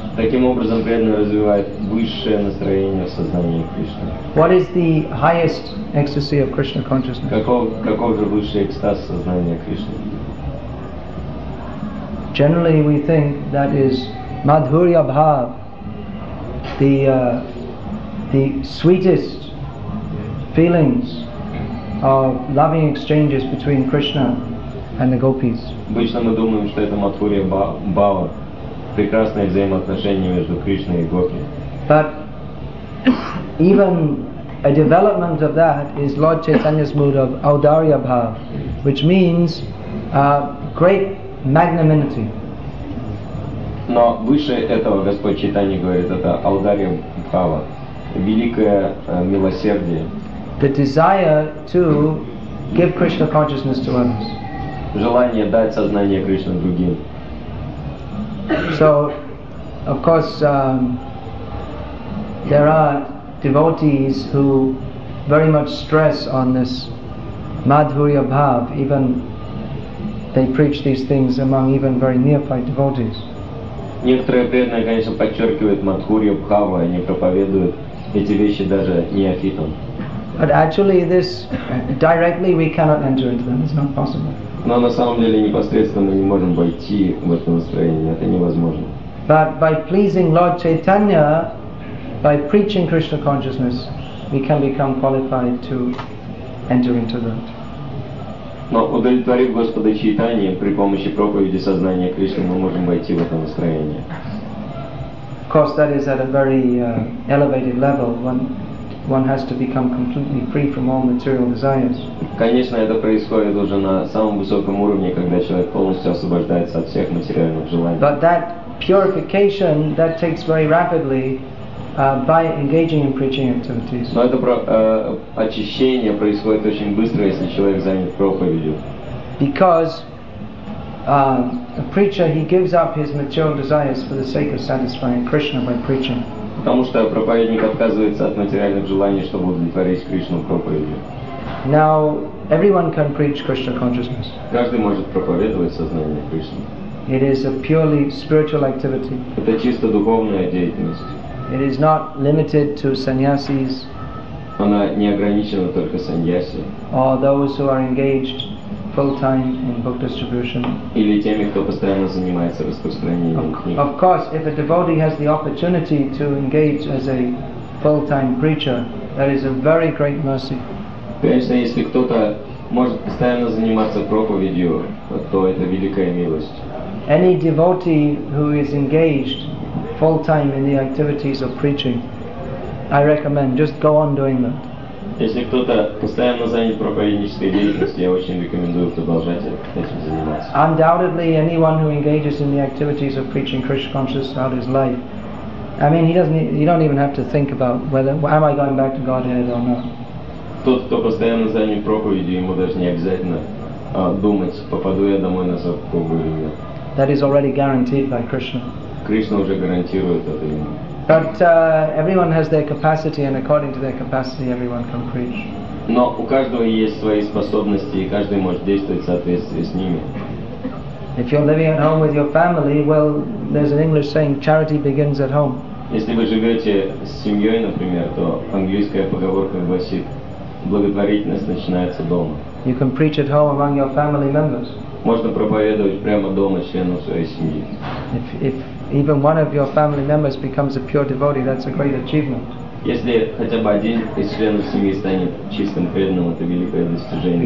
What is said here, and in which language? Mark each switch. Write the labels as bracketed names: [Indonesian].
[Russian] Таким образом, преданный развивает высшее настроение в сознании Кришны. [English] What is the highest ecstasy of Krishna consciousness? [Russian] Каков же высший экстаз сознания Кришны? [English] Generally, we think that is Madhurya Bhav, the sweetest feelings of loving exchanges between Krishna and the gopis. [Russian] Обычно мы думаем, что это Мадхурья Бхава, прекрасные взаимоотношения между Кришной и Гопи. [English] But even a development of that is Lord Chaitanya's mood of Audarya Bhav, which means great magnanimity. [Russian] Но выше этого Господь Чайтанья говорит, это Аударья Бхава, великое милосердие. [English] The desire to give Krishna consciousness to others. [Russian] Желание дать сознание Кришны другим. [English] So, of course, there are devotees who very much stress on this Madhurya Bhav, even they preach these things among even very neophyte devotees. [Russian] Некоторые преданные, конечно, подчеркивают Мадхурья Бхава, они проповедуют эти вещи даже неофитам. [English] But actually this directly we cannot enter into them, it's not possible. [Russian] Но на самом деле непосредственно мы не можем войти в это настроение, это невозможно. [English] But by pleasing Lord Chaitanya, by preaching Krishna consciousness, we can become qualified to enter into that. [Russian] Но удовлетворив Господа Чайтанья при помощи проповеди сознания Кришны, мы можем войти в это настроение. [English] Of course, that is at a very elevated level. One has to become completely free from all material desires. [Russian] Конечно, это происходит уже на самом высоком уровне, когда человек полностью освобождается от всех материальных желаний. [English] But that purification that takes very rapidly by engaging in preaching activities. [Russian] Но это очищение происходит очень быстро, если человек занят проповедью. [English] Because a preacher, he gives up his material desires for the sake of satisfying Krishna by preaching. [Russian] Потому что проповедник отказывается от материальных желаний, чтобы удовлетворить Кришну проповедью. [English] Now everyone can preach Krishna consciousness. [Russian] Каждый может проповедовать сознание Кришны. [English] It is a purely spiritual activity. [Russian] Это чисто духовная деятельность. [English] It is not limited to sannyasis. [Russian] Она не ограничена только саньяси. [English] Or those who are engaged full-time in book distribution. [Russian] Или теми, кто постоянно занимается распространением книг. [English] Of course, if a devotee has the opportunity to engage as a full-time preacher, that is a very great mercy. [Russian] Конечно, если кто-то может постоянно заниматься проповедью, то это великая милость. [English] Any devotee who is engaged full-time in the activities of preaching, I recommend just go on doing that. [Russian] Если кто-то постоянно занят проповеднической деятельностью, я очень рекомендую продолжать этим заниматься. [English] Undoubtedly, anyone who engages in the activities of preaching Krishna consciousness throughout his life, I mean, you don't even have to think about whether am I going back to Godhead or not. [Russian] Тот, кто постоянно занят проповедью, ему даже не обязательно думать, попаду я домой на Садхгуру или нет. [English] That is already guaranteed by Krishna. [Russian] Кришна уже гарантирует это ему. [English] But everyone has their capacity, and according to their capacity, everyone can preach. [Russian] Но у каждого есть свои способности, и каждый может действовать в соответствии с ними. [English] If you're living at home with your family, well, there's an English saying, charity begins at home. [Russian] Если вы живете с семьей, например, то английская поговорка гласит, благотворительность начинается дома. [English] You can preach at home among your family members. [Russian] Можно проповедовать прямо дома членам своей семьи. [English] If even one of your family members becomes a pure devotee, that's a great achievement. [Russian] Если хотя бы один из членов семьи станет чистым преданным, это великое достижение.